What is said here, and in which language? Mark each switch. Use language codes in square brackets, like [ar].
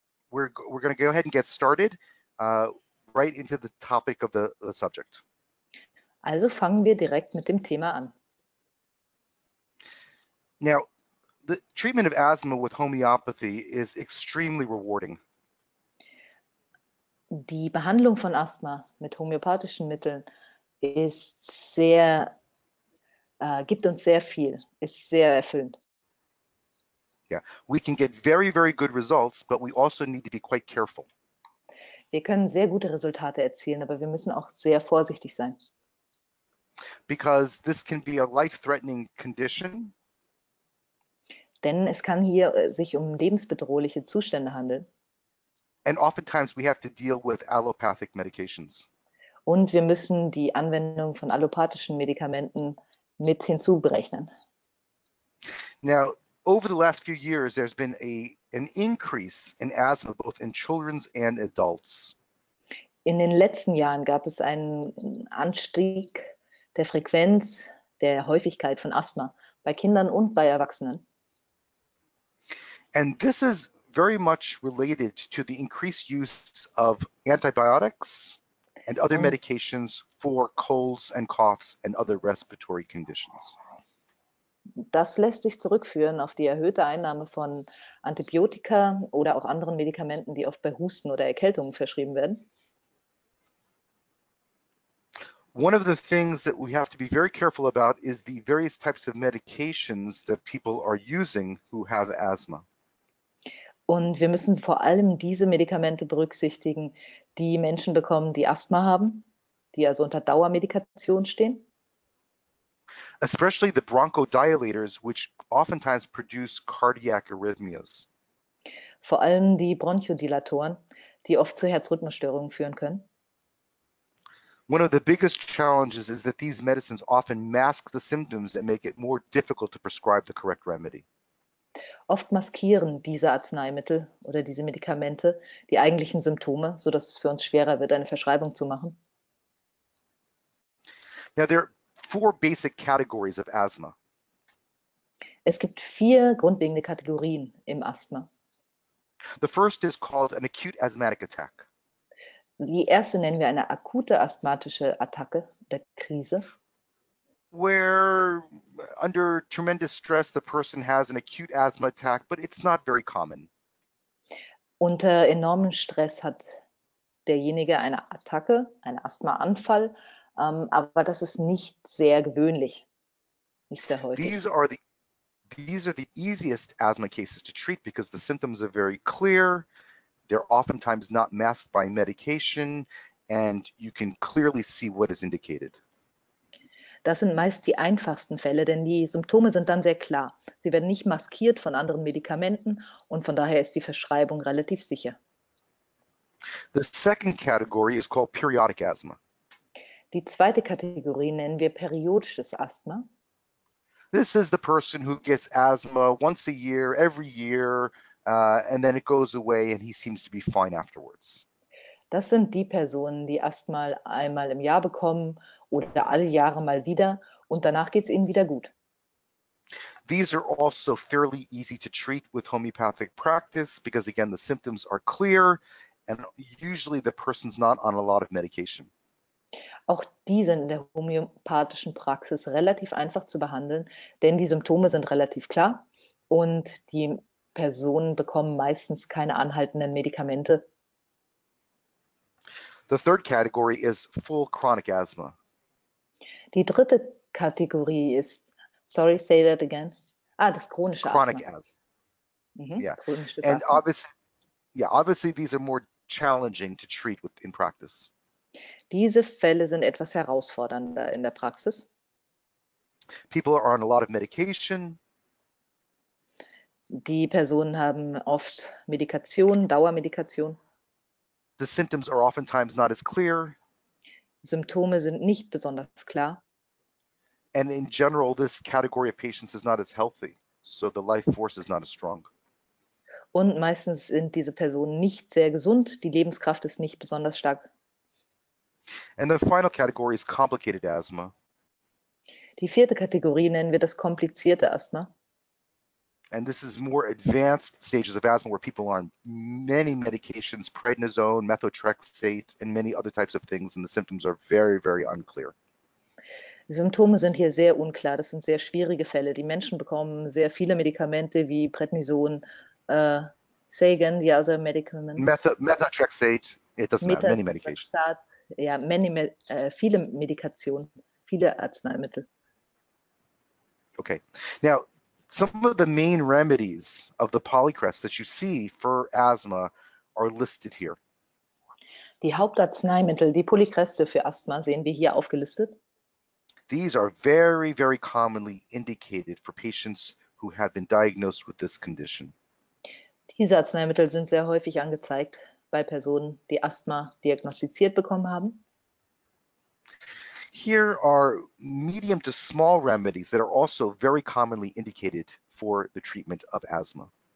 [en] So we're going to go ahead and get started right into the topic of the subject. [de] Also fangen wir direkt mit dem Thema an. [en] Now, the treatment of asthma with homeopathy is extremely rewarding. [de] Die Behandlung von Asthma mit homöopathischen Mitteln ist sehr, gibt uns sehr viel, ist sehr erfüllend. [en] Yeah, we can get very, very good results, but we also need to be quite careful. [de] Wir können sehr gute Resultate erzielen, aber wir müssen auch sehr vorsichtig sein. [en] Because this can be a life-threatening condition. [de] Denn es kann hier sich um lebensbedrohliche Zustände handeln. [en] And oftentimes we have to deal with allopathic medications. [de] Und wir müssen die Anwendung von allopathischen Medikamenten mit hinzuberechnen. [en] Now, over the last few years, there's been an increase in asthma, both in children and adults. [de] In den letzten Jahren gab es einen Anstieg der Frequenz, der Häufigkeit von Asthma bei Kindern und bei Erwachsenen. [en] And this is very much related to the increased use of antibiotics and other medications for colds and coughs and other respiratory conditions. [de] Das lässt sich zurückführen auf die erhöhte Einnahme von Antibiotika oder auch anderen Medikamenten, die oft bei Husten oder Erkältungen verschrieben werden. [en] One of the things that we have to be very careful about is the various types of medications that people are using who have asthma. [de] Und wir müssen vor allem diese Medikamente berücksichtigen, die Menschen bekommen, die Asthma haben, die also unter Dauermedikation stehen. [en] Especially the bronchodilators, which oftentimes produce cardiac arrhythmias. [de] Vor allem die Bronchodilatoren, die oft zu Herzrhythmusstörungen führen können. [en] One of the biggest challenges is that these medicines often mask the symptoms that make it more difficult to prescribe the correct remedy. [de] Oft maskieren diese Arzneimittel oder diese Medikamente die eigentlichen Symptome, sodass es für uns schwerer wird, eine Verschreibung zu machen. [en] Now, there are four basic categories of asthma. [de] Es gibt vier grundlegende Kategorien im Asthma. [en] The first is called an acute asthmatic attack. [de] Die erste nennen wir eine akute asthmatische Attacke oder Krise. [en] Where under tremendous stress the person has an acute asthma attack, but it's not very common. [de] Unter enormem Stress hat derjenige eine Attacke, einen Asthmaanfall, aber das ist nicht sehr gewöhnlich, nicht sehr häufig. [en] These are the easiest asthma cases to treat because the symptoms are very clear, they're oftentimes not masked by medication, and you can clearly see what is indicated. [de] Das sind meist die einfachsten Fälle, denn die Symptome sind dann sehr klar. Sie werden nicht maskiert von anderen Medikamenten und von daher ist die Verschreibung relativ sicher. [en] The second category is called periodic asthma. [de] Die zweite Kategorie nennen wir periodisches Asthma. [en] This is the person who gets asthma once a year, every year, and then it goes away and he seems to be fine afterwards. [de] Das sind die Personen, die Asthma einmal im Jahr bekommen oder alle Jahre mal wieder und danach geht es ihnen wieder gut. [en] These are also fairly easy to treat with homeopathic practice because, again, the symptoms are clear and usually the person's not on a lot of medication. [de] Auch die sind in der homöopathischen Praxis relativ einfach zu behandeln, denn die Symptome sind relativ klar und die Personen bekommen meistens keine anhaltenden Medikamente. [en] The third category is full chronic asthma. [de] Die dritte Kategorie ist, [en] sorry, say that again. [de] Ah, das chronische [en] Chronic [de] Asthma. [en] asthma. Yeah. [de] Chronisches [en] And [de] Asthma. [en] obviously these are more challenging to treat with in practice. [de] Diese Fälle sind etwas herausfordernder in der Praxis. [en] People are on a lot of medication. [de] Die Personen haben oft Medikation, Dauermedikation. [en] The symptoms are oftentimes not as clear. [de] Symptome sind nicht besonders klar. [en] And in general, this category of patients is not as healthy, so the life force is not as strong. [de] Und meistens sind diese Personen nicht sehr gesund, die Lebenskraft ist nicht besonders stark. [en] And the final category is complicated asthma. [de] Die vierte Kategorie nennen wir das komplizierte Asthma. [en] And this is more advanced stages of asthma where people are on many medications, prednisone, methotrexate, and many other types of things, and the symptoms are very, very unclear. [de] Symptome sind hier sehr unklar. Das sind sehr schwierige Fälle. Die Menschen bekommen sehr viele Medikamente wie Prednison, Sagen, die [en] other medicaments, Methotrexate, it doesn't matter, many medications. [de] Methotrexate, ja, viele Medikationen, viele Arzneimittel. [en] Okay, now. Some of the main remedies of the polycrest that you see for asthma are listed here. [de] Die Hauptarzneimittel, die Polykreste für Asthma, sehen wir hier aufgelistet. [en] These are very, very commonly indicated for patients who have been diagnosed with this condition. [de] Diese Arzneimittel sind sehr häufig angezeigt bei Personen, die Asthma diagnostiziert bekommen haben. [en] Here are medium to small remedies that are also very commonly indicated for the treatment of asthma.